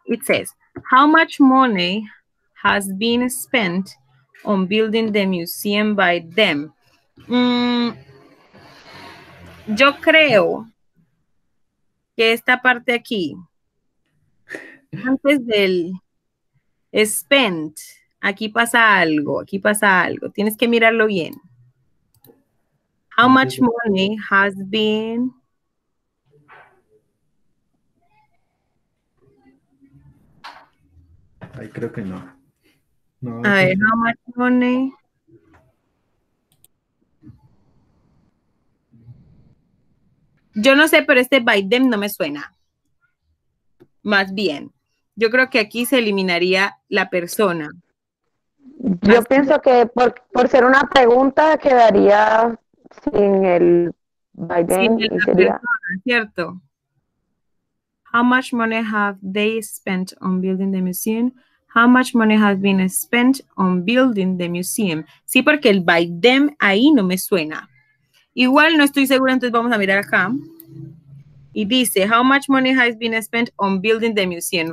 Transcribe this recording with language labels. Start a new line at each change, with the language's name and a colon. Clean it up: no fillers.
English: It says, how much money has been spent on building the museum by them?
Spanish: Yo creo que esta parte aquí, antes del spent, aquí pasa algo, aquí pasa algo. Tienes que mirarlo bien.
English: How much money has been...
Spanish: Ay, creo que no. A ver,
English: how much money...
Spanish: Yo no sé, pero este by them no me suena. Más bien, yo creo que aquí se eliminaría la persona. Yo así pienso que por ser una pregunta quedaría sin el by them. Sin la sería... persona, ¿cierto?
English: How much money have they spent on building the museum? How much money has been spent on building the museum?
Spanish: Sí, porque el by them ahí no me suena. Igual no estoy segura, entonces vamos a mirar acá. Y dice,
English: how much money has been spent on building the museum?